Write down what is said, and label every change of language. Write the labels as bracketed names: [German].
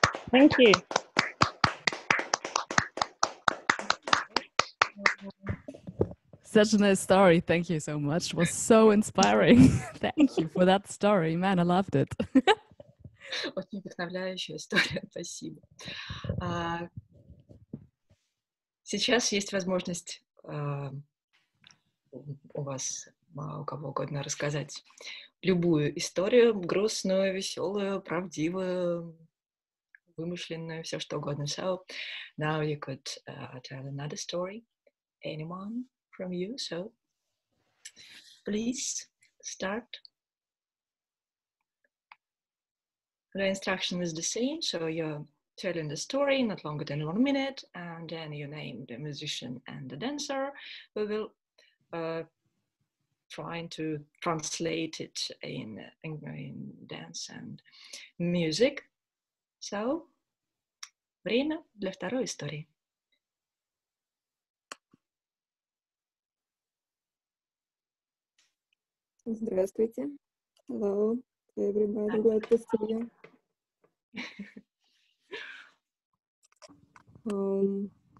[English] Thank you. Such a nice story. Thank you so much. It was so inspiring. Thank you for that story. Man, I loved it. [Russian] Очень вдохновляющая история. Спасибо. Сейчас есть возможность у вас, у кого угодно, рассказать любую историю, грустную, веселую, правдивую, вымышленную, все что угодно. [English] So, now you could tell another story, anyone from you, so please start. The instruction is the same, so you're telling the story, not longer than 1 minute, and then you name the musician and the dancer. We will try to translate it in dance and music. [Russian] So, время для второй истории. Здравствуйте. [English] Hello, everybody. Glad to see you.